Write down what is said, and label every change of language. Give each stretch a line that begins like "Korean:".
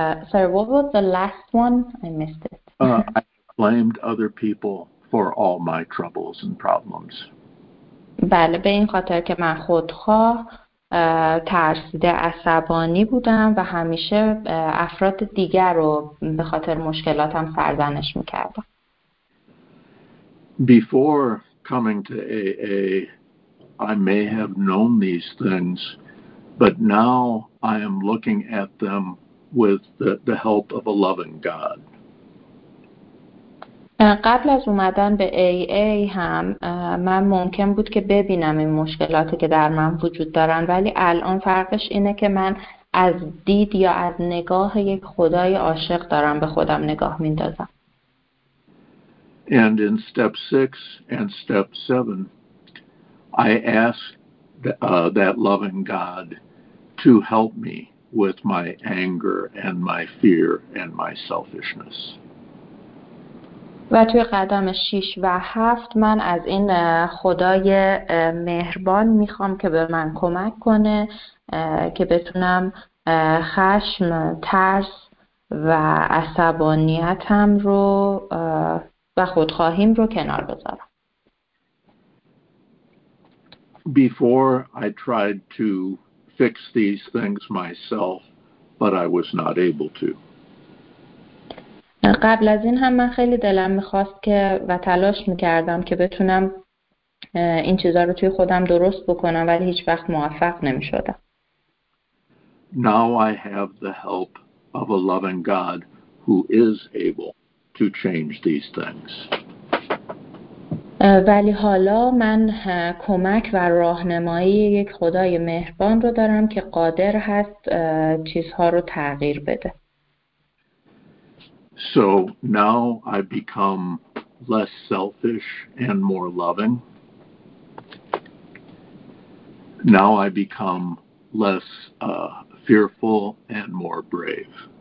English: Sir, what was the last one? I missed it. I blamed other people for all my troubles and problems.
Persian: بله، به این خاطر که من خودخواه، ترسیده، عصبانی بودم و همیشه افراد دیگر رو به خاطر مشکلاتم سرزنش میکردم.
English: Before coming to AA, I may have known these things, but now I am looking at them with the help of a loving God.
Persian: قبل از اومدن به AA هم من ممکن بود که ببینم این مشکلاتی که در من وجود دارن، ولی الان فرقش اینه که من از دید یا از نگاه یک خدای عاشق دارم به خودم نگاه میندازم.
English: And in step 6 and step 7 I asked that loving God to help me with my anger and my fear and my selfishness.
Persian: و توی قدم 6 و 7 من از این خدای مهربان میخوام که به من کمک کنه که بتونم خشم، ترس و عصبانیتم رو و خودخواهیم رو کنار بذارم.
English: Before I tried to fix these things myself, but I was not able to.
Persian: قبل از این هم من خیلی دلم میخواست که و تلاش میکردم که بتونم این چیزا رو توی خودم درست بکنم، ولی هیچ وقت موفق نمیشدم.
English: Now I have the help of a loving God who is able to change these things.
Persian: ولی حالا من کمک و راهنمایی یک خدای مهربان رو دارم که قادر هست چیزها رو تغییر بده.
English: So now I become less selfish and more loving. Now I become less fearful and more brave.